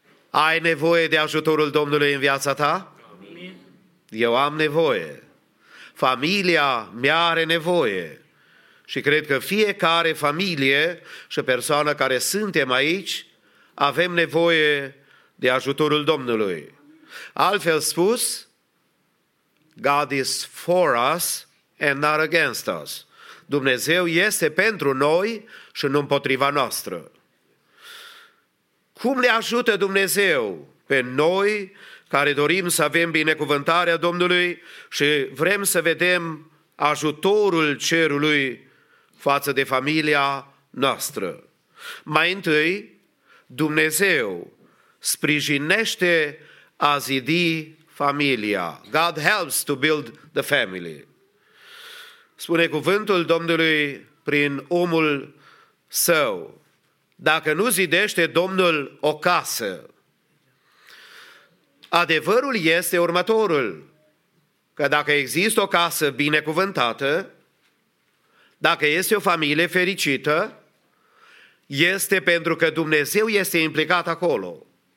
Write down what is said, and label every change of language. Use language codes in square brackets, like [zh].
[ro] Ai nevoie de ajutorul Domnului în viața ta? Amin. Eu am nevoie. Familia mea are nevoie. Și cred că fiecare familie și persoană care suntem aici, avem nevoie de ajutorul Domnului. Altfel spus, [en] God is for us and not against us. [ro] Dumnezeu este pentru noi și nu împotriva noastră. Cum ne ajută Dumnezeu pe noi care dorim să avem binecuvântarea Domnului și vrem să vedem ajutorul cerului față de familia noastră? Mai întâi, Dumnezeu sprijinește a zidi familia. [en] God helps to build the family. [ro] Spune cuvântul Domnului prin omul său. Dacă nu zidește Domnul o casă, adevărul este următorul, că dacă există o casă binecuvântată, dacă este o familie fericită, este pentru că Dumnezeu este implicat acolo.